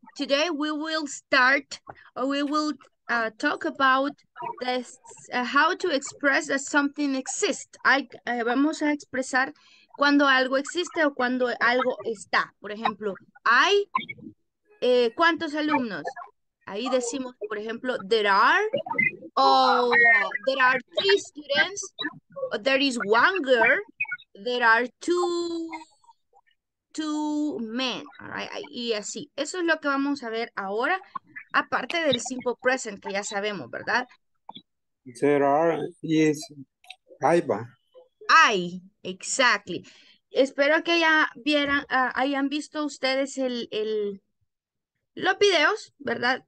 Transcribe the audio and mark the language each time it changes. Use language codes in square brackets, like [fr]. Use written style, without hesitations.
[en] Today we will start, or we will talk about this, how to express that something exists. [es] Vamos a expresar cuando algo existe o cuando algo está. Por ejemplo, hay ¿cuántos alumnos? Ahí decimos, por ejemplo, [en] there are, o there are three students, or there is one girl, there are two men, all right? [es] Y así. Eso es lo que vamos a ver ahora, aparte del simple present que ya sabemos, ¿verdad? [en] There are is Iba. Ay, exactly. [es] Espero que ya vieran, hayan visto ustedes los videos, ¿verdad?